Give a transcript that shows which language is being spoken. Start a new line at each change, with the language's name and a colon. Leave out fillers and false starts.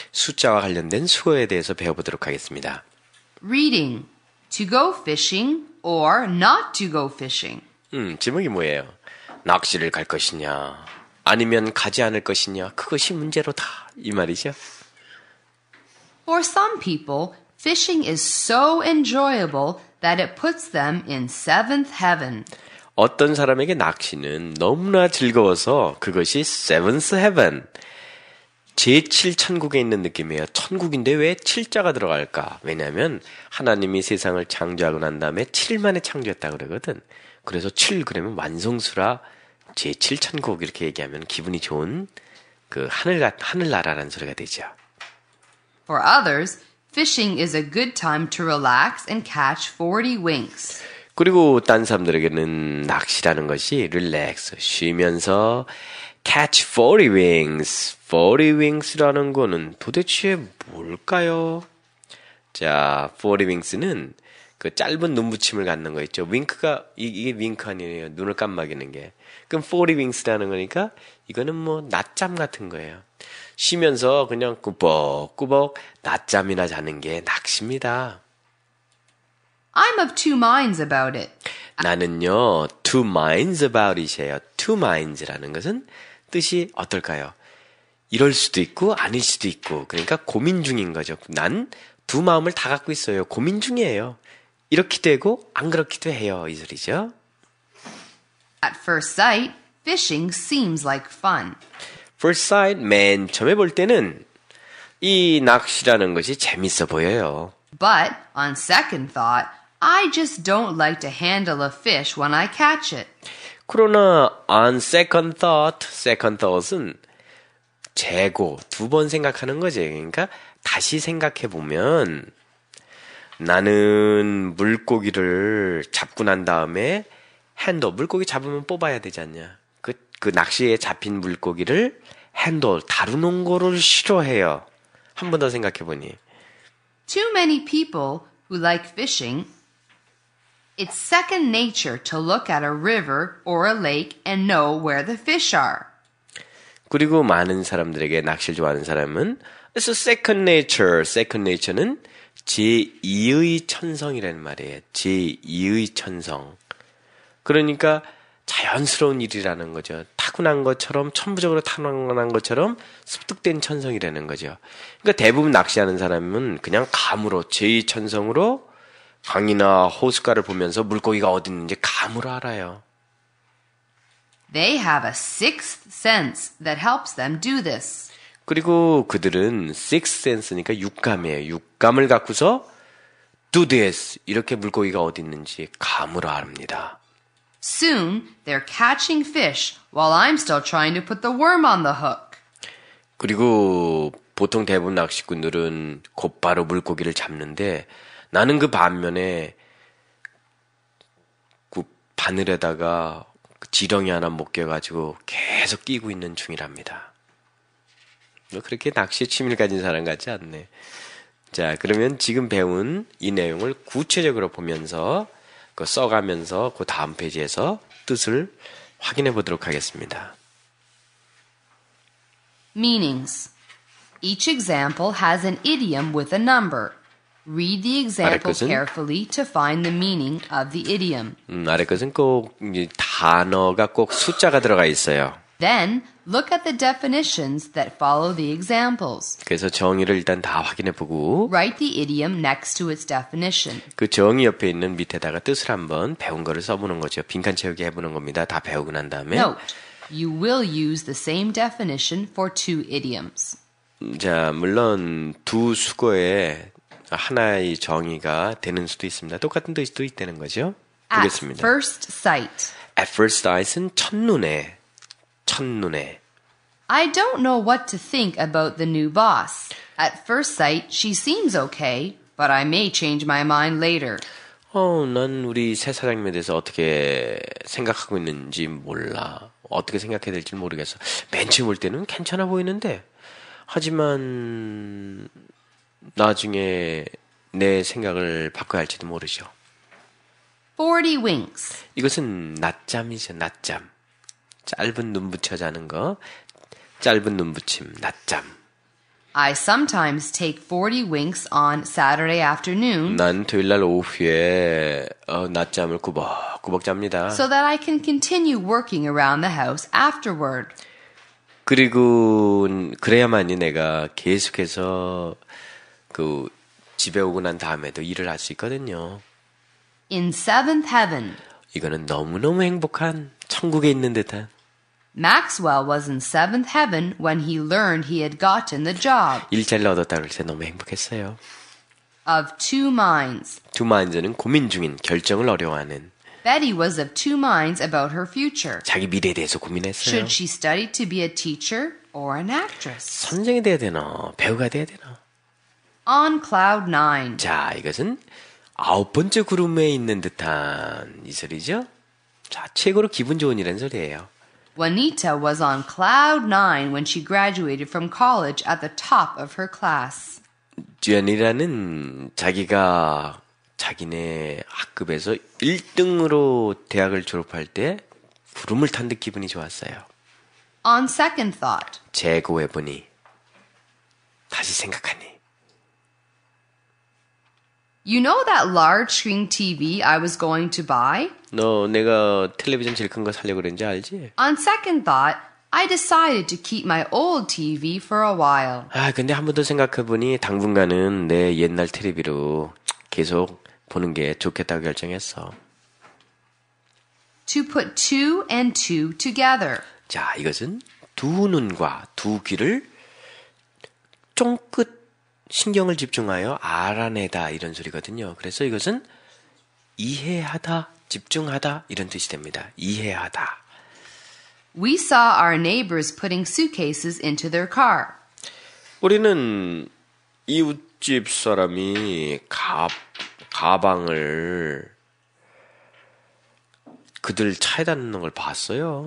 Korean: 숫자와 관련된 수어에 대해서 배워보도록 하겠습니다.
English: Reading. To go fishing or not to go fishing.
Korean: 질문이 뭐예요? 낚시를 갈 것이냐, 아니면 가지 않을 것이냐, 그것이 문제로다. 이 말이죠.
English: For some people, fishing is so enjoyable that it puts them in seventh heaven.
Korean: 어떤 사람에게 낚시는 너무나 즐거워서 그것이
English: seventh heaven,
Korean: 제7천국에 있는 느낌이에요. 천국인데 왜 7자가 들어갈까? 왜냐하면 하나님이 세상을 창조하고 난 다음에 7만에 창조했다고 그러거든. 그래서 7 그러면 완성수라 제7천국 이렇게 얘기하면 기분이 좋은 그 하늘나라라는 소리가 되죠.
English: For others, fishing is a good time to relax and catch 40 winks.
Korean: 그리고 딴 사람들에게는 낚시라는 것이 릴렉스, 쉬면서
English: catch 40 winks.
Korean: 40 winks라는 거는 도대체 뭘까요? 자, 40 winks는 그 짧은 눈붙임을 갖는 거 있죠. 윙크가 이게 윙크 아니에요. 눈을 깜막이는 게. 그럼 40 winks라는 거니까 이거는 뭐 낮잠 같은 거예요. 쉬면서 그냥 꾸벅꾸벅 낮잠이나 자는 게 낚시입니다.
English: I'm of two minds about it.
Korean: 나는요,
English: two minds about it
Korean: 이에요.
English: Two minds
Korean: 라는 것은 뜻이 어떨까요? 이럴 수도 있고 아닐 수도 있고, 그러니까 고민 중인 거죠. 난 두 마음을 다 갖고 있어요. 고민 중이에요. 이렇게 되고 안 그렇기도 해요. 이 소리죠.
English: At first sight, fishing seems like fun. First sight,
Korean: 맨 처음에 볼 때는 이 낚시라는 것이 재밌어 보여요.
English: But on second thought, I just don't like to handle a fish when I catch it.
Korean: 그러나
English: on second thought
Korean: 은 재고, 두 번 생각하는 거지. 그러니까 다시 생각해 보면 나는 물고기를 잡고 난 다음에 핸들, 물고기 잡으면 뽑아야 되지 않냐. 그 낚시에 잡힌 물고기를 핸들, 다루는 거를 싫어해요. 한 번 더 생각해 보니.
English: Too many people who like fishing, it's second nature to look at a river or a lake and know where the fish are.
Korean: 그리고 많은 사람들에게 낚시를 좋아하는 사람은
English: It's a second nature. Second nature
Korean: 는 제2의 천성이라는 말이에요. 제2의 천성. 그러니까 자연스러운 일이라는 거죠. 타고난 것처럼, 천부적으로 타고난 것처럼 습득된 천성이라는 거죠. 그러니까 대부분 낚시하는 사람은 그냥 감으로, 제2의 천성으로 강이나 호숫가를 보면서 물고기가 어디 있는지 감으로 알아요.
English: They have a sixth sense that helps them do this.
Korean: 그리고 그들은
English: sixth sense
Korean: 니까 육감이에요. 육감을 갖고서
English: do this
Korean: 이렇게 물고기가 어디 있는지 감으로 압니다.
English: Soon they're catching fish while I'm still trying to put the worm on the hook.
Korean: 그리고 보통 대부분 낚시꾼들은 곧바로 물고기를 잡는데 나는 그 반면에 그 바늘에다가 지렁이 하나 묶여가지고 계속 끼고 있는 중이랍니다. 너 그렇게 낚시에 취미를 가진 사람 같지 않네. 자, 그러면 지금 배운 이 내용을 구체적으로 보면서 그 써가면서 그 다음 페이지에서 뜻을 확인해 보도록 하겠습니다.
English: Meanings. Each example has an idiom with a number. Read the example carefully to find the meaning of the idiom.
Korean: 아래 것은 꼭 단어가 꼭 숫자가 들어가 있어요.
English: Then look at the definitions that follow the examples.
Korean: 그래서 정의를 일단 다 확인해 보고
English: write the idiom next to its definition.
Korean: 그 정의 옆에 있는 밑에다가 뜻을 한번 배운 거를 써보는 거죠. 빈칸 채우기 해보는 겁니다. 다 배우고 난 다음에
English: Note, you will use the same definition for two idioms.
Korean: 자, 물론 두 숙어에 하나의 정의가 되는 수도 있습니다. 똑같은 뜻도 있다는 거죠.
English: At
Korean: 보겠습니다.
English: first sight.
Korean: At first sight은 첫눈에. 첫눈에.
English: I don't know what to think about the new boss. At first sight, she seems okay, but I may change my mind later.
Korean: 난 우리 새 사장님에 대해서 어떻게 생각하고 있는지 몰라. 어떻게 생각해야 될지 모르겠어. 맨 처음 볼 때는 괜찮아 보이는데. 하지만 나중에 내 생각을 바꿔야 할지도 모르죠.
English: 40 winks.
Korean: 이것은 낮잠이죠, 낮잠. 짧은 눈 붙여 자는 거. 짧은 눈부침, 낮잠.
English: I sometimes take 40 winks on Saturday afternoon.
Korean: 난 토요일 날 오후에 낮잠을 꾸벅꾸벅 잡니다.
English: So that I can continue working around the house afterward.
Korean: 그리고 그래야만이 내가 계속해서 그 집에 오고 난 다음에도 일을 할 수 있거든요.
English: In seventh heaven.
Korean: 이거는 너무너무 행복한 천국에 있는 듯한.
English: Maxwell was in seventh heaven when he learned he had gotten the job.
Korean: 일자리를 얻었다 그럴 때 너무 행복했어요.
English: Of two minds. Two minds
Korean: 는 고민 중인, 결정을 어려워하는.
English: Betty was of two minds about her future.
Korean: 자기 미래에 대해서 고민했어요.
English: Should she study to be a teacher or an actress?
Korean: 선생이 돼야 되나? 배우가 돼야 되나?
English: On cloud nine.
Korean: 자, 이것은 아홉 번째 구름에 있는 듯한 이 소리죠. 자, 최고로 기분 좋은 이런 소리예요.
English: Juanita was on cloud nine when she graduated from college at the top of her class.
Korean: Juanita는 자기가 자기네 학급에서 1등으로 대학을 졸업할 때 구름을 탄 듯 기분이 좋았어요.
English: On second thought.
Korean: 재고해보니 다시 생각하니.
English: You know that large screen TV I was going to buy?
Korean: 너 내가 텔레비전 제일 큰 거 사려고 그랬는지 알지?
English: On second thought, I decided to keep my old TV for a while.
Korean: 아, 근데 한 번 더 생각해보니 당분간은 내 옛날 텔레비로 계속 보는 게 좋겠다고 결정했어.
English: To put two and two together.
Korean: 자, 이것은 두 눈과 두 귀를 쫑긋 신경을 집중하여 알아내다 이런 소리거든요. 그래서 이것은 이해하다, 집중하다 이런 뜻이 됩니다. 이해하다.
English: We saw our neighbors putting suitcases into their car.
Korean: 우리는 이웃집 사람이 가방을 그들 차에 닿는 걸 봤어요.